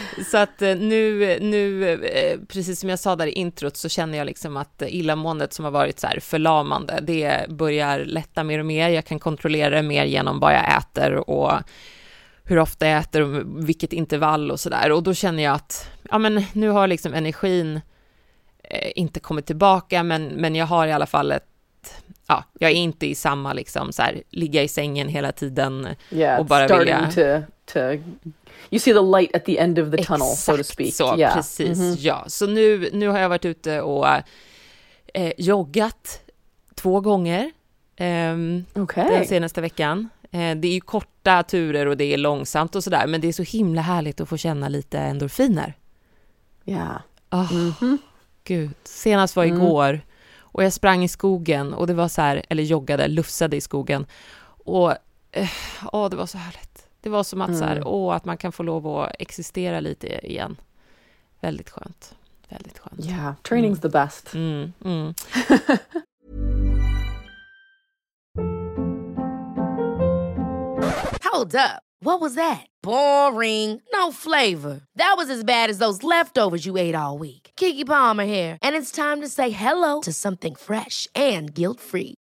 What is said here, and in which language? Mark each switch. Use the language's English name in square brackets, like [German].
[Swedish] Så att nu, precis som jag sa där i introt, så känner jag liksom att illamåendet som har varit så här förlamande, det börjar lätta mer och mer. Jag kan kontrollera det mer genom vad jag äter och hur ofta jag äter och vilket intervall och sådär. Och då känner jag att ja, men nu har liksom energin inte kommit tillbaka, men jag har i alla fall ett... Ja, jag är inte i samma liksom så här, ligga i sängen hela tiden och bara vilja... [English] You see the light at the end of the tunnel. [Swedish] Exakt, [English] so to speak. [Swedish] Så, yeah. Precis. Mm-hmm. Ja. Så nu har jag varit ute och joggat 2 gånger den senaste veckan. Det är ju korta turer och det är långsamt och sådär, men det är så himla härligt att få känna lite endorfiner. Ja. Yeah. Mm-hmm. Oh, gud. Senast var igår och jag sprang i skogen och det var så här, eller joggade, lufsade i skogen och det var så härligt. Det var som att, så här, att man kan få lov att existera lite igen. Väldigt skönt. Väldigt skönt. [English] Yeah, training's the best. Mm. Mm. Hold up. What was that? Boring. No flavor. That was as bad as those leftovers you ate all week. Keke Palmer here, and it's time to say hello to something fresh and guilt-free.